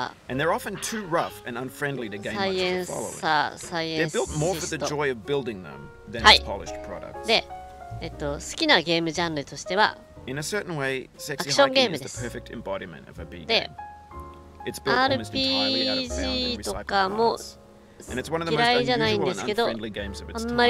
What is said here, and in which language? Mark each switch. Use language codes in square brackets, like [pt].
[en] And they're often too rough and unfriendly to game masters to follow. They're built more for the joy of building them than as polished products. [ja] で、好きなゲームジャンルとしては、 [en] In a certain way, sexy hiking is the perfect embodiment of a B game. It's built almost entirely out of found and recycled parts. [ja] 嫌いじゃないんですけど、あんまり得意じゃないです。